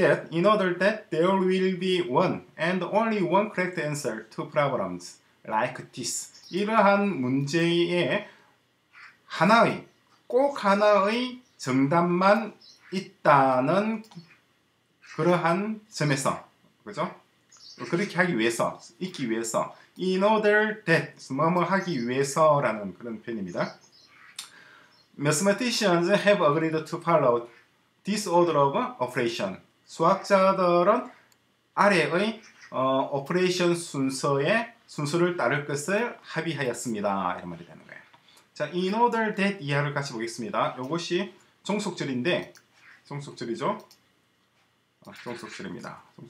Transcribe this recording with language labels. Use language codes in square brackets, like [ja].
[en] In order that there will be one and only one correct answer to problems like this. [ko] 이러한 문제에 하나의, 꼭 하나의 정답만 있다는 그러한 점에서, 그죠? 그렇게 하기 위해서, 있기 위해서, [en] in order that, [ko] 뭐뭐 하기 위해서라는 그런 표현입니다. [en] Mathematicians have agreed to follow this order of operation. [ko] 수학자들은 아래의 오퍼레이션 순서를 따를 것을 합의하였습니다. 이런 말이 되는 거예요. 자, [en] in order that [ko] 이하를 같이 보겠습니다. 이것이 종속절인데, 종속절입니다.